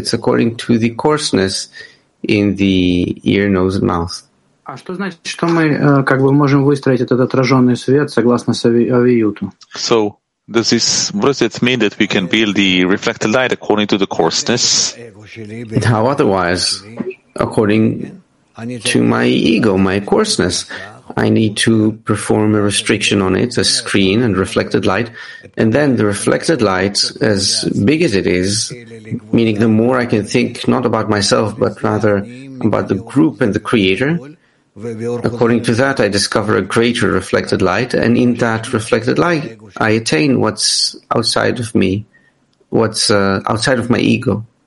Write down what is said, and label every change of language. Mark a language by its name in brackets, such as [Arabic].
[English] It's according to the coarseness in the ear, nose, and mouth. [Russian] А что значит, что мы как бы можем выстроить этот отраженный свет согласно Авиюту? [English] So, what does it mean that we can build the reflected light according to the coarseness? And how otherwise, according to my ego, my coarseness, I need to perform a restriction on it, a screen and reflected light, and then the reflected light, as big as it is, meaning the more I can think not about myself, but rather about the group and the creator, according to that, I discover a greater reflected light, and in that reflected light, I attain what's outside of me, what's outside of my ego.